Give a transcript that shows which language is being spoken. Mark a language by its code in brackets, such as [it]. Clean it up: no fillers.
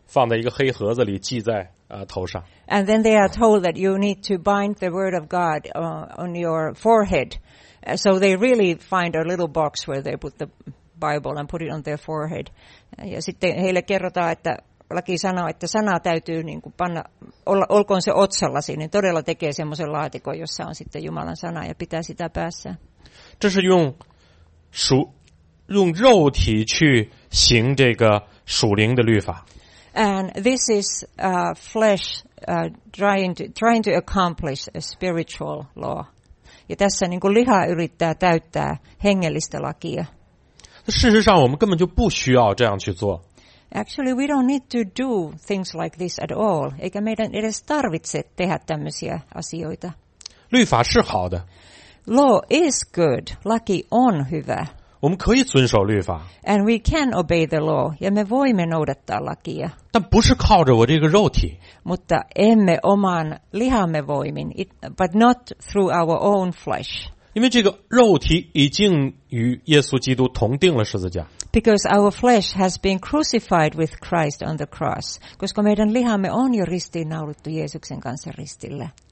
[zh] 然后因为圣经里说要把那个神的经文要系在你的额头，所以他们就真的把那个圣经放在一个黑盒子里系在头上。 [en] And then they are told that you need to bind the word of God on your forehead. So they really find a little box where they put the Bible and put it on their forehead. [fi] Ja sitten heille kerrotaan, että laki sanoo, että sana täytyy niin kuin panna, olkoon se otsallasi, niin todella tekee semmoisen laatikon, jossa on sitten Jumalan sana ja pitää sitä päässään. [zh] 这是用肉体去行这个属灵的律法. [en] And this is flesh trying to accomplish a spiritual law. [fi] Ja tässä niin kuin liha yrittää täyttää hengellistä lakia. [zh] 事实上我们根本就不需要这样去做. [en] Actually, we don't need to do things like this at all. [fi] Eikä meidän edes tarvitse tehdä tämmöisiä asioita. [zh] 律法是好的. [en] Law is good. [fi] Laki on hyvä. [zh] 我们可以遵守律法. [en] And we can obey the law. [fi] Ja me voimme noudattaa lakia. [zh] 但不是靠着我这个肉体. [fi] Mutta emme oman lihamme voimin, [en] but not through our own flesh. [zh] 因为这个肉体已经与耶稣基督同钉了十字架. [en] Because our flesh has been crucified with Christ on the cross. [fi] Koska meidän lihamme on jo ristiinnaulittu Jeesuksen kanssa ristille.